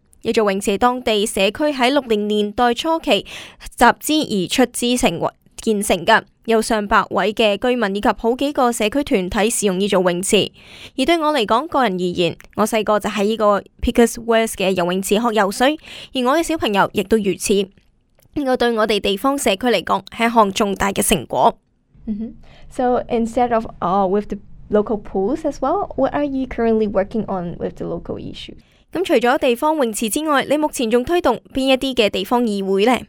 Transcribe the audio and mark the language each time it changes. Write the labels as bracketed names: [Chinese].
[Chinese] 也做泳池当地社区在60年代初期集资而出资成为建成的，有上百位的居民以及好几个社区团体使用这座泳池。而对我来讲，个人而言，我小时候就在这个 Peakhurst West 的游泳池学游水，而我的小朋友也都如此。这个对我们地方社区来讲是一项重大的成果。 Mm-hmm. [English] So instead of with the local pools as well, what are you currently working on with the local issues? [Chinese] 除了地方泳池之外，你目前还推动哪一些地方议会呢？